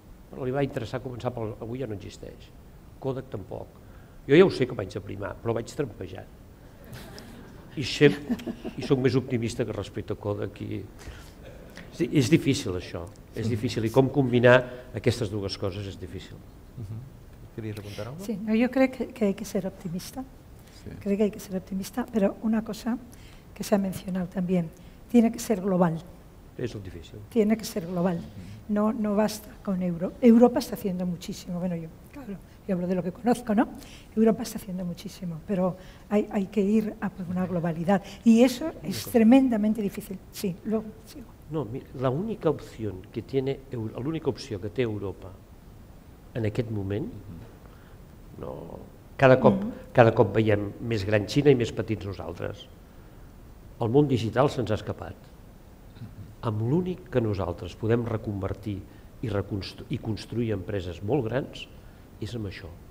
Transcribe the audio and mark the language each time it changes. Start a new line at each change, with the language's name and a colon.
Catalan: Però li va interessar començar, però avui ja no existeix. Kodak tampoc. Jo ja ho sé que vaig aprimar, però vaig trampejant. I sóc més optimista que respecte a Kodak. És difícil això, és difícil. I com combinar aquestes dues coses és difícil. Queries apuntar alguna cosa? Sí, no, jo crec que
Spanish: hay que ser optimista.
Catalan: Sí. Crec que
Spanish: hay que ser optimista,
Catalan: però una cosa que s'ha mencionat també,
Spanish: tiene que ser global.
Catalan: És el difícil.
Spanish: Tiene que ser global. No basta con Europa está haciendo muchísimo, bueno, yo hablo de lo que conozco, ¿no? Europa está haciendo muchísimo, pero hay que ir a una globalidad. Y eso es tremendamente difícil. Sí, luego sigo.
Catalan: No, mira, l'única opció que té Europa en aquest moment, no, cada cop veiem més gran Xina i més petits nosaltres. El món digital se'ns ha escapat. Amb l'únic que nosaltres podem reconvertir i construir empreses molt grans és amb això.